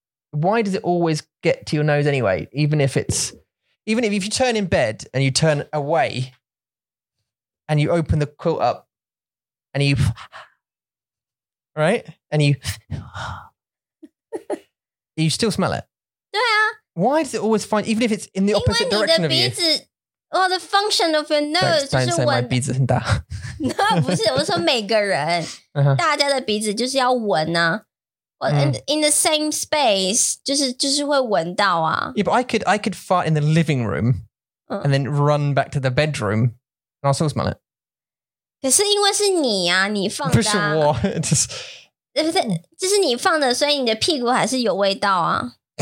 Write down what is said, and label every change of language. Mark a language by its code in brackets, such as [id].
[en] Why does it always get to your nose anyway? Even if you turn in bed and you turn away and you open the quilt up and you, right? And you, you still smell it. [zh] 对啊 [en] Why does it always find, even if it's in the opposite direction of you? Oh, the function of your nose [zh] 就是闻鼻子很大。那不是，我说每个人，大家的鼻子就是要闻啊。 [en] In the same space, [zh] 就是会闻到啊。 [en] Yeah, but I could fart in the living room, and then run back to the bedroom, and I'll still smell it. [zh] 可是因为是你啊，你放的、啊。不是我，就是你放的，所以你的屁股还是有味道啊。